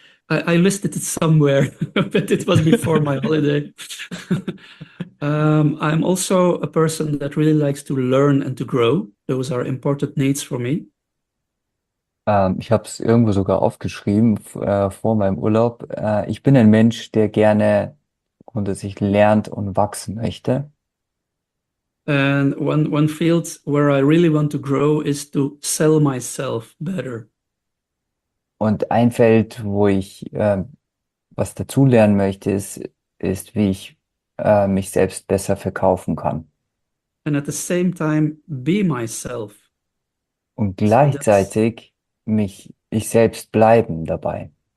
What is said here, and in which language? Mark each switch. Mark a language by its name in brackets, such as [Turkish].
[English] I listed it somewhere, but it was before my holiday. I'm also a person that really likes to learn and to grow. Those are important needs for me. [German] Ich habe es irgendwo sogar aufgeschrieben vor meinem Urlaub. Ich bin ein Mensch, der gerne grundsätzlich lernt und wachsen möchte. [English] And one field where I really want to grow is to sell myself better. [German] Und ein Feld, wo ich was dazulernen möchte, ist, wie ich mich selbst besser verkaufen kann. [English] And at the same time be myself. [German] Und gleichzeitig mich ich selbst bleiben dabei.